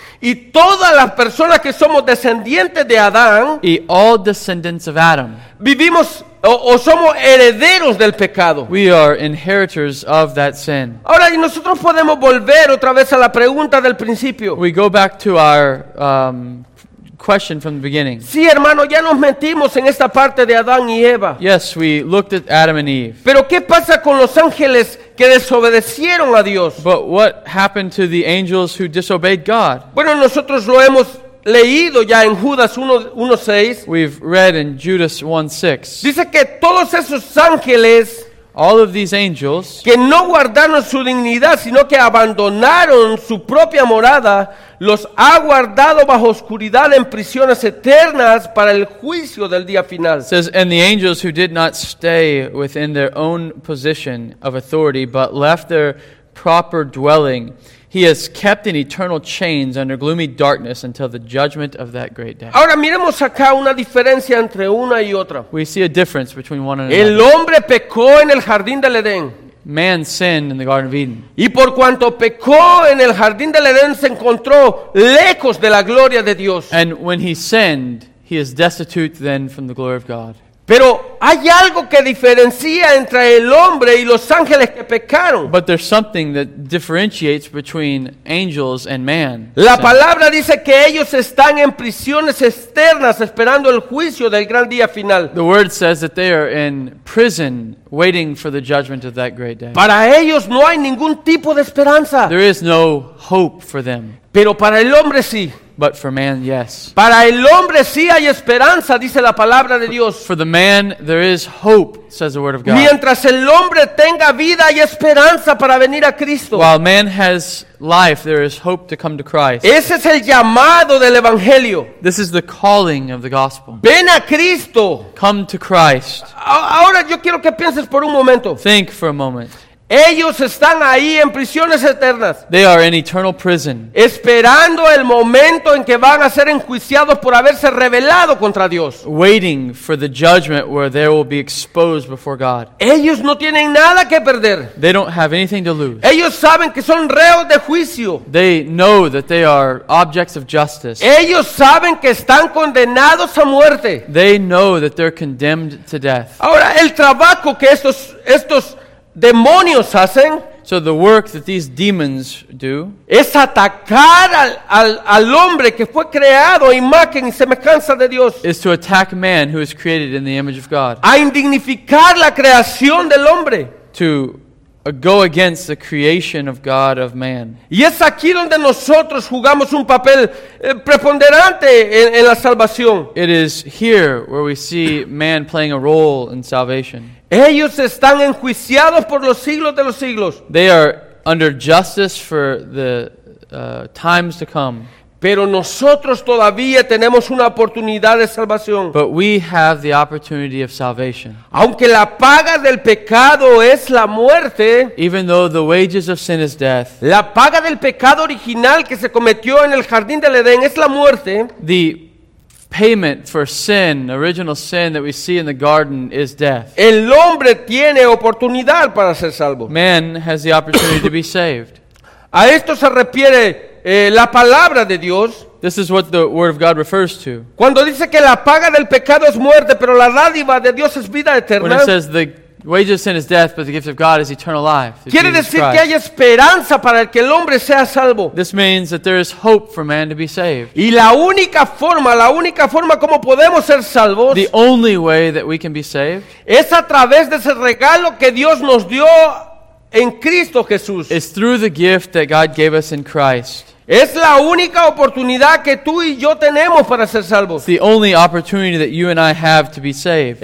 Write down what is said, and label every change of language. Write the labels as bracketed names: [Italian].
[Spanish] Y todas las personas que somos descendientes de Adán. [English] Y all descendants of Adam. [Spanish] Vivimos o somos herederos del pecado. [English] We are inheritors of that sin. [Spanish] Ahora, y nosotros podemos volver otra vez a la pregunta del principio. [English] We go back to our question from the beginning. [Spanish] Sí, hermano, ya nos metimos en esta parte de Adán y Eva. [English] Yes, we looked at Adam and Eve. [Spanish] Pero ¿qué pasa con los ángeles que desobedecieron a Dios? [English] But what happened to the angels who disobeyed God? [Spanish] Bueno, nosotros lo hemos leído ya en Judas 1:6. [English] We've read in Judas 1:6. [Spanish] Dice que todos esos ángeles, [English] all of these angels, [Spanish] que no guardaron su dignidad, sino que abandonaron su propia morada, los ha guardado bajo oscuridad en prisiones eternas para el juicio del día final. [English] It says, and the angels who did not stay within their own position of authority, but left their proper dwelling, he has kept in eternal chains under gloomy darkness until the judgment of that great day. [Spanish] Ahora miremos acá una diferencia entre una y otra. [English] We see a difference between one and another. [Spanish] El hombre pecó en el jardín del Edén. [English] Man sinned in the Garden of Eden. [Spanish] Y por cuanto pecó en el jardín del Edén, se encontró lejos de la gloria de Dios. [English] And when he sinned, he is destitute then from the glory of God. [Spanish] Pero hay algo que diferencia entre el hombre y los ángeles que pecaron. [English] But there's something that differentiates between angels and man. [Spanish] La palabra dice que ellos están en prisiones externas esperando el juicio del gran día final. [English] The word says that they are in prison waiting for the judgment of that great day. [Spanish] Para ellos no hay ningún tipo de esperanza. [English] There is no hope for them. [Spanish] Pero para el hombre sí. [English] But for man, yes. [Spanish] Para el hombre sí hay esperanza, dice la palabra de Dios. [English] For the man, there is hope, says the word of God. [Spanish] Mientras el hombre tenga vida, hay esperanza para venir a Cristo. [English] While man has life, there is hope to come to Christ. [Spanish] Ese es el llamado del evangelio. [English] This is the calling of the gospel. [Spanish] Ven a Cristo. [English] Come to Christ. [Spanish] Ahora yo quiero que pienses por un momento. [English] Think for a moment. [Spanish] Ellos están ahí en prisiones eternas. [English] They are in eternal prison. [Spanish] Esperando el momento en que van a ser enjuiciados por haberse rebelado contra Dios. [English] Waiting for the judgment where they will be exposed before God. [Spanish] Ellos no tienen nada que perder. [English] They don't have anything to lose. [Spanish] Ellos saben que son reos de juicio. [English] They know that they are objects of justice. [Spanish] Ellos saben que están condenados a muerte. [English] They know that they're condemned to death. [Spanish] Ahora, el trabajo que estos demonios hacen. [English] So the work that these demons do [Spanish] es atacar al hombre que fue creado imagen y semejanza de Dios. [English] Is to attack man who is created in the image of God. [Spanish] A indignificar la creación del hombre. [English] To go against the creation of God of man. [Spanish] Y es aquí donde nosotros jugamos un papel preponderante en la salvación. [English] It is here where we see man playing a role in salvation. [Spanish] Ellos están enjuiciados por los siglos de los siglos. [English] They are under justice for the times to come. [Spanish] Pero nosotros todavía tenemos una oportunidad de salvación. [English] But we have the opportunity of salvation. [Spanish] Aunque la paga del pecado es la muerte, [English] even though the wages of sin is death, [Spanish] la paga del pecado original que se cometió en el jardín del Edén es la muerte. [English] The payment for sin, original sin that we see in the garden is death. [Spanish] El hombre tiene oportunidad para ser salvo. [English] Man has the opportunity to be saved. [Spanish] A esto se refiere la palabra de Dios. [English] This is what the word of God refers to. [Spanish] Cuando dice que la paga del pecado es muerte, pero la dádiva de Dios es vida eterna. [English] When it says the wages of sin is death, but the gift of God is eternal life. [Spanish] Quiere decir que hay esperanza para que el hombre sea salvo. [English] This means that there is hope for man to be saved. [Spanish] Y la única forma como podemos ser salvos, [English] the only way that we can be saved, [Spanish] es a través de ese regalo que Dios nos dio en Cristo Jesús. [English] Is through the gift that God gave us in Christ. [Spanish] Es la única oportunidad que tú y yo tenemos para ser salvos. [English] It's the only opportunity that you and I have to be saved.